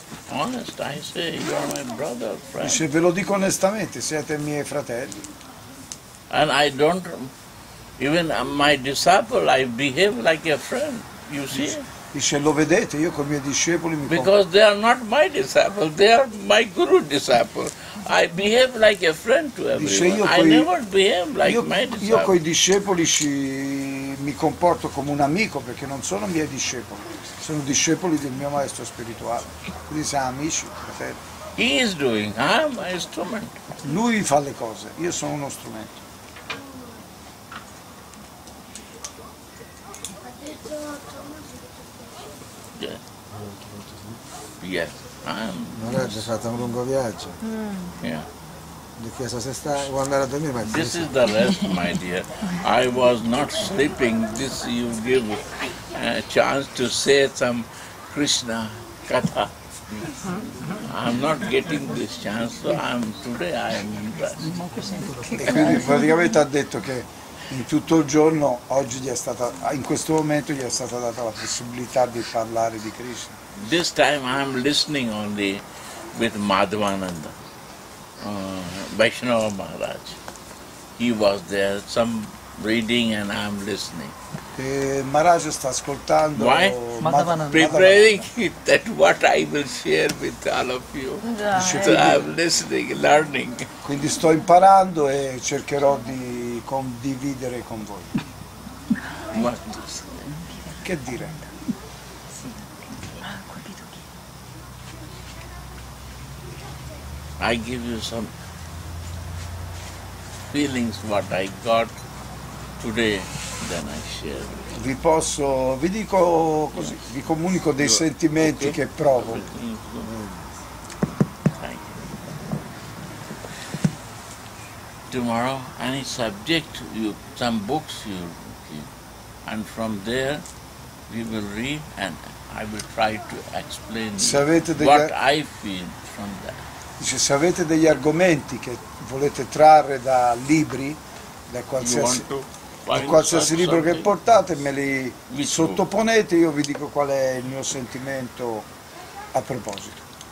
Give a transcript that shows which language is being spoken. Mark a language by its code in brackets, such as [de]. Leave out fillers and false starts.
[en] Honest, I say, you are my brother, friend. [it] Dice, ve lo dico onestamente, siete miei fratelli. [en] And I don't, even my disciple, I behave like a friend, you see? [it] Dice, lo vedete, io con i miei discepoli mi [en] Because they are not my disciples, they are my guru disciples. I behave like a friend to everyone. [it] Dice, [en] I never behave like my disciples. [it] Io con i discepoli mi comporto come un amico perché non sono miei discepoli, sono discepoli del mio maestro spirituale. Quindi siamo amici, fratelli. [en] He is doing, I'm a instrument. [it] Lui fa le cose, io sono uno strumento. [en] Yes. [it] Yeah. Maharaj, è stato un lungo viaggio. Di chiesa se sta, vuoi andare a dormire, ma [en] this is the rest, my dear. I was not sleeping. This you give a chance to say some Krishna katha. I'm not getting this chance, so I'm today I am in rest. [it] E quindi praticamente ha detto che in tutto il giorno oggi gli è stata, in questo momento gli è stata data la possibilità di parlare di Krishna. [en] This time I'm listening only with Madhavananda. Vaishnava Maharaj, he was there, some reading and I'm listening. [it] Maharaj sta ascoltando. [en] Why? Preparing it that what I will share with all of you. So I'm listening, learning. [it] Quindi sto imparando e cercherò di condividere con voi. Che dire? [en] I give you some feelings what I got today, then I share. [it] Vi posso, vi dico così, yes. Vi comunico dei sentimenti okay. Che provo. [en] Thank you. Tomorrow, any subject, you some books you give, and from there we will read and I will try to explain what I feel from that. [it] Dice, se avete degli argomenti che volete trarre da libri, da qualsiasi libro che portate, me li sottoponete, io vi dico qual è il mio sentimento a proposito.